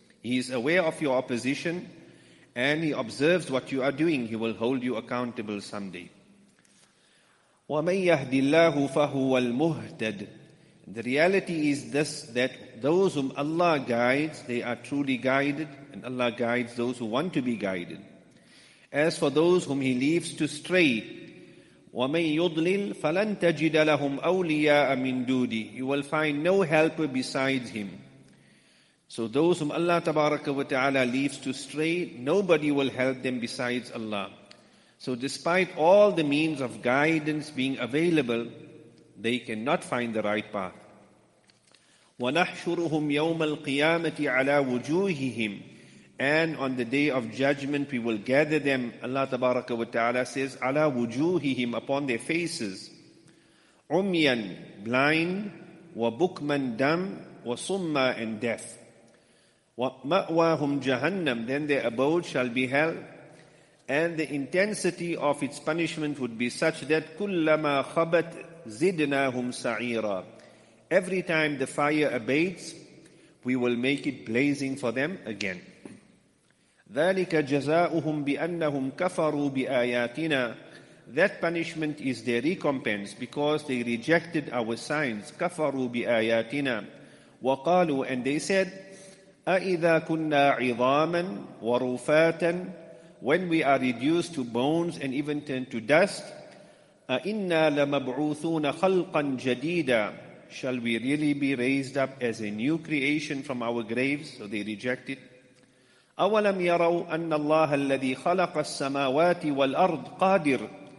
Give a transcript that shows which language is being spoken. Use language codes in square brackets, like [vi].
[en] He is aware of your opposition and he observes what you are doing. He will hold you accountable someday. [ar] وَمَنْ يَهْدِ اللَّهُ فَهُوَ الْمُهْتَدِ. [en] The reality is this, that those whom Allah guides, they are truly guided, and Allah guides those who want to be guided. As for those whom He leaves to stray, [ar] وَمَنْ يُضْلِلْ فَلَنْ تَجِدَ لَهُمْ أَوْلِيَاءَ مِنْ دُودِي. [en] You will find no helper besides Him. So those whom Allah tabaraka wa ta'ala leaves to stray, nobody will help them besides Allah. So despite all the means of guidance being available, they cannot find the right path. [ar] وَنَحْشُرُهُمْ يَوْمَ الْقِيَامَةِ عَلَىٰ وُجُوهِهِمْ. [en] And on the day of judgment, we will gather them, Allah tabaraka wa ta'ala says, [ar] عَلَىٰ وُجُوهِهِمْ, [en] upon their faces. [ar] عُمْيًا, [en] blind, [ar] وَبُكْمًا, [en] dumb, [ar] وَصُمَّا, [en] and deaf. [ar] وَمَأْوَاهُمْ جَهَنَّمْ. [en] Then their abode shall be hell. And the intensity of its punishment would be such that [ar] كُلَّمَا خَبَتْ زِدْنَاهُمْ سَعِيرًا. [en] Every time the fire abates, we will make it blazing for them again. [ar] ذَلِكَ جَزَاؤُهُمْ بِأَنَّهُمْ كَفَرُوا بِآيَاتِنَا. [en] That punishment is their recompense because they rejected our signs. [ar] كَفَرُوا بِآيَاتِنَا. وَقَالُوا, [en] and they said, [ar] أَإِذَا كُنَّا عِظَامًا وَرُفَاتًا. [en] When we are reduced to bones and even turned to dust, [ar] أَإِنَّا لَمَبْعُوثُونَ خَلْقًا جَدِيدًا. [en] Shall we really be raised up as a new creation from our graves? So they reject it. [ar] أَوَلَمْ يَرَوْا أَنَّ اللَّهَ الَّذِي خَلَقَ السَّمَاوَاتِ وَالْأَرْضِ قَادِرٌ.